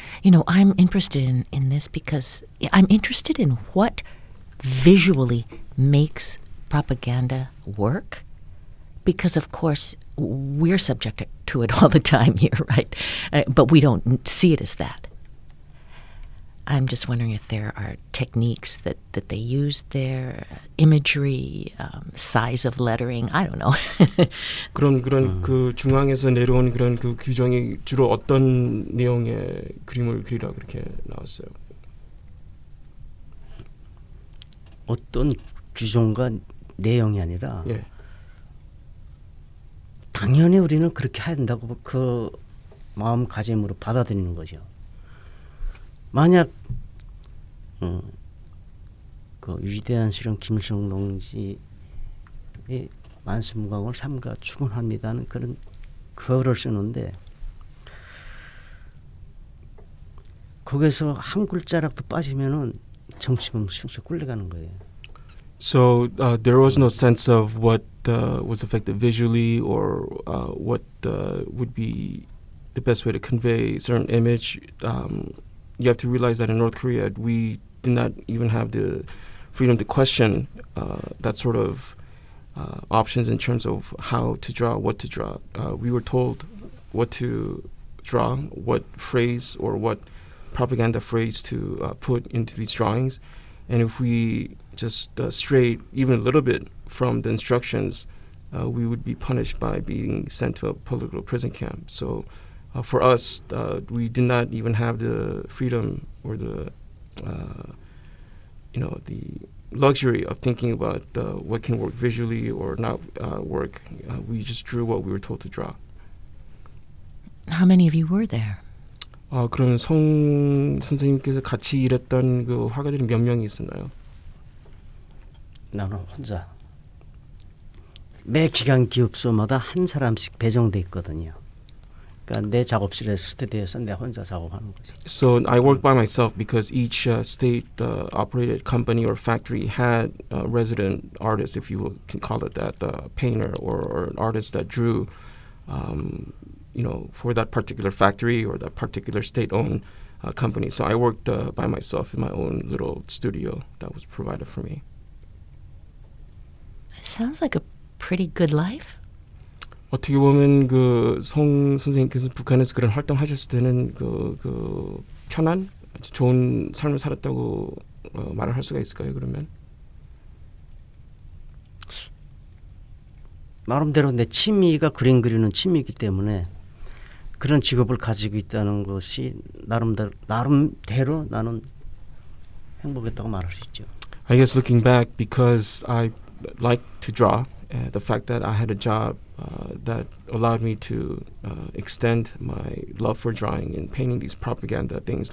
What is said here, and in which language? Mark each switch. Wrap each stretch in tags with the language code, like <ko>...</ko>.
<en>You know, I'm interested in this because I'm interested in what visually makes propaganda work, because of course we're subject to it all the time here, right? But we don't see it as that. I'm just wondering if there are techniques that, that they use there, imagery, size of lettering, I don't know.</en> <ko>그런 그 중앙에서 내려온 그런 그 규정이 주로 어떤 내용의 그림을 그리라 그렇게 나왔어요. 어떤 규정과 내용이 아니라 예. 당연히 우리는 그렇게 해야 된다고 그 마음가짐으로 받아들이는 거죠. 만약 그 위대한 시인 김일성 동지의 만수무강을 삼가 추근합니다는 그런 글을 쓰는데 거기서 한 글자라도 빠지면은 정치범 숭수 꿀려가는 거예요.</ko> <en>So there was no sense of what was effective visually or what would be the best way to convey a certain image. You have to realize that in North Korea, we did not even have the freedom to question that sort of options in terms of how to draw, what to draw. We were told what to draw, what phrase or what propaganda phrase to put into these drawings. And if we just strayed even a little bit from the instructions, we would be punished by being sent to a political prison camp. So for us, we did not even have the freedom or the, you know, the luxury of thinking about what can work visually or not work. We just drew what we were told to draw. How many of you were there?</en> <ko>아, 그러면 송 선생님께서 같이 일했던 그 화가들이 몇 명이 있었나요? 나는 혼자. 매 기간 기업소마다 한 사람씩 배정돼 있거든요. 그러니까 내 작업실에 스튜디오에서 내 혼자 작업하는 거죠.</ko> <en>So I worked by myself because each state-operated company or factory had a resident artist, if you can call it that, a painter or an artist that drew you know, for that particular factory or that particular state-owned company. So I worked by myself in my own little studio that was provided for me. It sounds like a pretty good life.</en> <ko>어떻게 보면 그 송 선생님께서 북한에서 그런 활동하셨을 때는 그, 그 편한, 좋은 삶을 살았다고 말을 할 수가 있을까요, 그러면? 나름대로 내 취미가 그림 그리는 취미이기 때문에 그런 직업을 가지고 있다는 것이 나름대로 나는 행복했다고 말할 수 있죠.</ko> <en>I guess looking back, because I like to draw the fact that I had a job that allowed me to extend my love for drawing and painting these propaganda things.</en>